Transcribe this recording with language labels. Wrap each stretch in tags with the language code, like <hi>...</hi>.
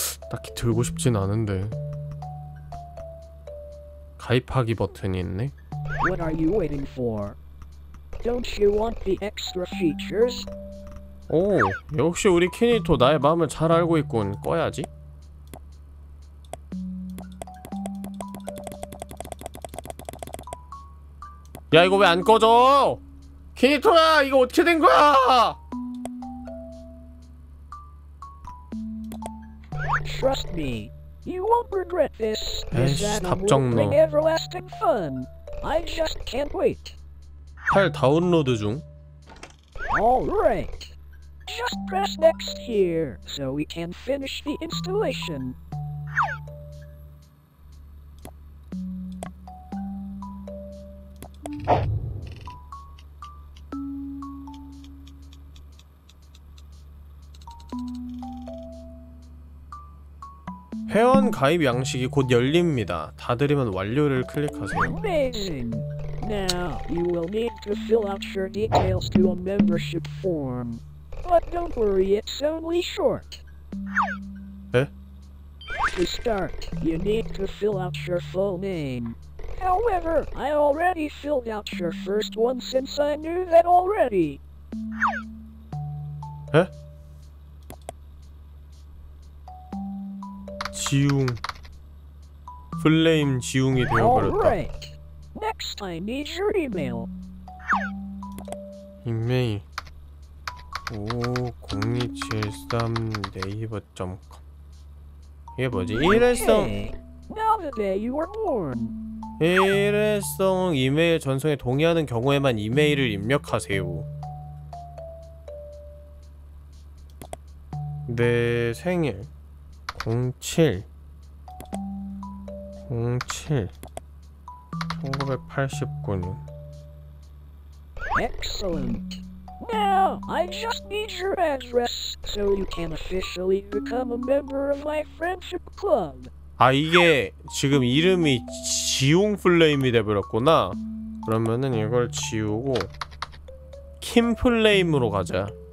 <ko>딱히 들고 싶진 않은데. 가입하기 버튼이 있네.</ko> <en>What are you waiting for? Don't you want the extra features?</en> <ko>오, 역시 우리 키니토 나의 마음을 잘 알고 있군. 꺼야지. 야, 이거 왜 안 꺼져? 키니토야, 이거 어떻게 된 거야?</ko> <en>Trust me. You won't regret this.</en> <ko>에이씨, 답정너.</ko> <en>Everlasting fun. I just can't wait.</en> <ko>팔 다운로드 중.</ko> <en>All right. Just press next here so we can finish the installation.</en> <ko>회원 가입 양식이 곧 열립니다. 다 들으면 완료를 클릭하세요.</ko> <en>Amazing. Now you will need to fill out your details to a membership form. But don't worry, it's only short. 에? To start, you need to fill out your full name. However, I already filled out your first one since I knew that already. 에?</en> <ko>지웅 플레임 지웅이 되어버렸다.</ko> <en>Alright. Next I need your email.</en> <ko>이메일 50273naver.com 이게 뭐지? 일회성</ko> <en>Now the day you were born.</en> <ko>일회성 이메일 전송에 동의하는 경우에만 이메일을 입력하세요. 내 생일 07 07 1989년</ko> <en>Excellent. Now, I just need your address so you can officially become a member of my friendship club.</en> <ko>아, 이게 지금 이름이 지웅 플레임이 되어버렸구나. 그러면은 이걸 지우고 킴 플레임으로 가자.</ko>